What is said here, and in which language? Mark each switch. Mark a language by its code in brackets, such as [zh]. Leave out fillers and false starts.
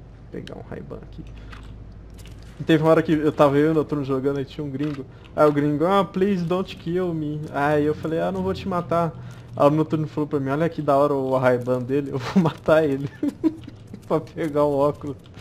[pt] Pegar um Ray-Ban aqui. Teve uma hora que eu tava eu e o Noturno jogando e tinha um gringo. Aí o gringo, ah, [en] please don't kill me. [pt] Aí eu falei, ah, não vou te matar. Aí o Noturno falou pra mim, olha que da hora o Ray-Ban dele, eu vou matar ele. Pra pegar o óculos.